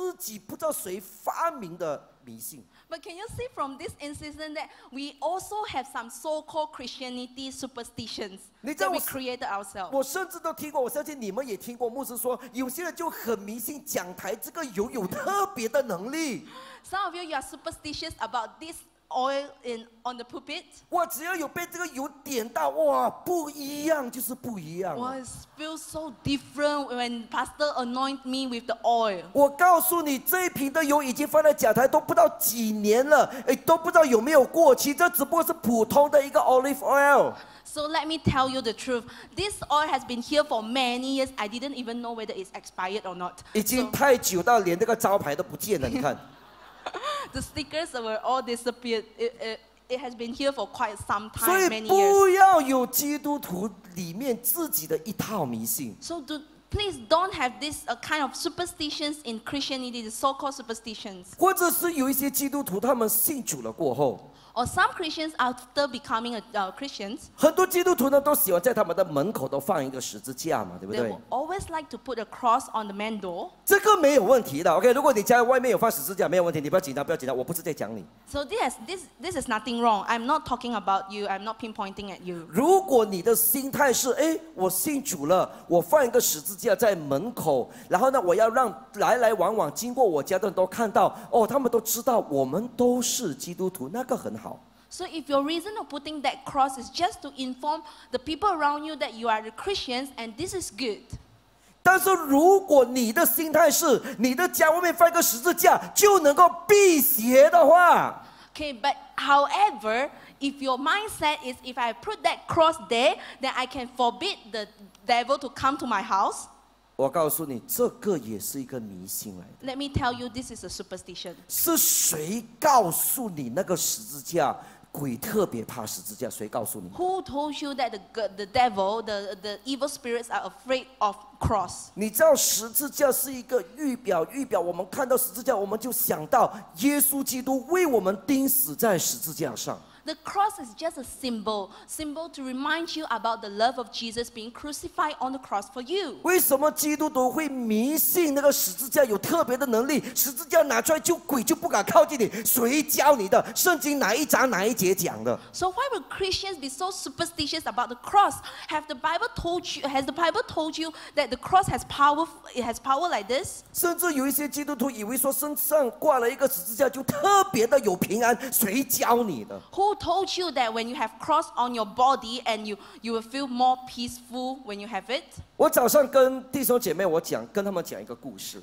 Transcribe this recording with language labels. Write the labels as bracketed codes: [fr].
[zh] 但是你看，这个是我们所谓在基督教里面，我们也有一套自己不知道谁发明的迷信。 [en] But can you see from this incident that we also have some so-called Christianity superstitions that we created ourselves? [zh] 我甚至都听过，我相信你们也听过牧师说，有些人就很迷信讲台这个油有特别的能力。 [en] Some of you are superstitious about this oil in on the pulpit. [zh] 哇，只要有被这个油点到，哇，不一样就是不一样。 [en] Well, it feels so different when Pastor anoint me with the oil. [zh] 我告诉你，这一瓶的油已经放在讲台都不到几年了，哎，都不知道有没有过期。这只不过是普通的一个 olive oil. [en] So let me tell you the truth. This oil has been here for many years. I didn't even know whether it's expired or not. [zh] 已经太久到连那个招牌都不见了，你看。 [en] The stickers were all disappeared. It has been here for quite some time. [zh] 所以不要有基督徒里面自己的一套迷信。 [en] So do, please don't have this kind of superstitions in Christianity, the so-called superstitions. [zh] 或者是有一些基督徒他们信主了过后。 [en] Or some Christians after becoming a Christians, [zh] 很多基督徒呢都喜欢在他们的门口都放一个十字架嘛，对不对 [en] ？They will always like to put a cross on the main door. [zh] 这个没有问题的 ，OK？如果你家外面有放十字架，没有问题，你不要紧张，不要紧张，我不是在讲你。 [en] So this is nothing wrong. I'm not talking about you. I'm not pinpointing at you. [zh] 如果你的心态是，哎，我信主了，我放一个十字架在门口，然后呢，我要让来来往往经过我家的人都看到，哦，他们都知道我们都是基督徒，那个很好。 [en] So if your reason of putting that cross is just to inform the people around you that you are the Christians and this is good. [zh] 但是如果你的心态是你的家外面放一个十字架就能够辟邪的话。 [en] Okay, but however, if your mindset is if I put that cross there, then I can forbid the devil to come to my house. [zh] 我告诉你，这个也是一个迷信来的。 [en] Let me tell you, this is a superstition. [zh] 是谁告诉你那个十字架鬼特别怕十字架？谁告诉你 [en] ？Who told you that the devil, the evil spirits are afraid of cross? [zh] 你知道十字架是一个预表，预表我们看到十字架，我们就想到耶稣基督为我们钉死在十字架上。 [en] The cross is just a symbol, symbol to remind you about the love of Jesus being crucified on the cross for you. [zh] 为什么基督徒会迷信那个十字架有特别的能力？十字架拿出来就鬼就不敢靠近你。谁教你的？圣经哪一章哪一节讲的 [en] ？So why would Christians be so superstitious about the cross? Have the Bible told you? Has the Bible told you that the cross has power? It has power like this? [zh] 甚至有一些基督徒以为说身上挂了一个十字架就特别的有平安。谁教你的？ [en] Who told you that when you have cross on your body and you will feel more peaceful when you have it? [zh] 我早上跟弟兄姐妹我讲跟他们讲一个故事。